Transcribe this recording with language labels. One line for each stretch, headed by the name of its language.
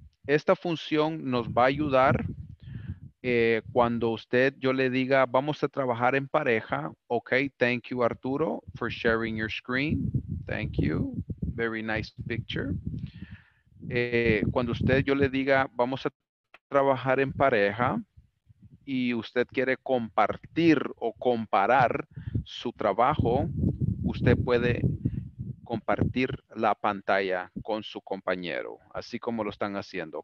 Spanish: Esta función nos va a ayudar cuando usted, yo le diga, vamos a trabajar en pareja.
English: Okay, thank you, Arturo, for sharing your screen. Thank you. Very nice picture.
Spanish: Cuando usted, yo le diga, vamos a trabajar en pareja y usted quiere compartir o comparar su trabajo, usted puede compartir la pantalla con su compañero, así como lo están haciendo.